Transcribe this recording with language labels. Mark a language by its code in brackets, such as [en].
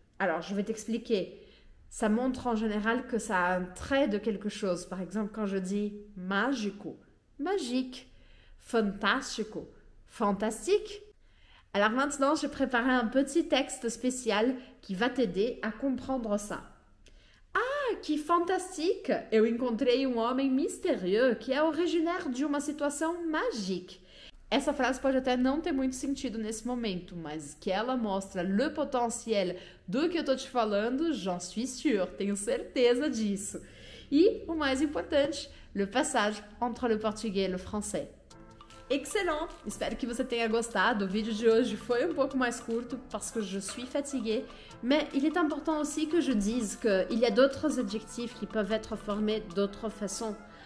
[fr] Alors, je vais t'expliquer. Ça montre en général que ça a un trait de quelque chose. Par exemple, quand je dis magico, magique, fantastico, fantastique. Alors maintenant, j'ai préparé un petit texte spécial qui va t'aider à comprendre ça. Ah, que fantastique! [pt] Eu encontrei um homem [fr] mystérieux qui [pt] é [fr] originaire de [pt] uma situação [fr] magique. [pt] Essa frase pode até não ter muito sentido nesse momento, mas que ela mostra [fr] le potentiel [pt] do que eu tô te falando, [fr] j'en suis sûr, [pt] tenho certeza disso. E o mais importante, [fr] le passage entre le portugais et le français. Excellent! [pt] Espero que você tenha gostado. O vídeo de hoje foi um pouco mais curto, [fr] parce que je suis fatiguée, mais il est important aussi que je dise que il y a d'autres adjectifs qui peuvent être formés d'autres façons.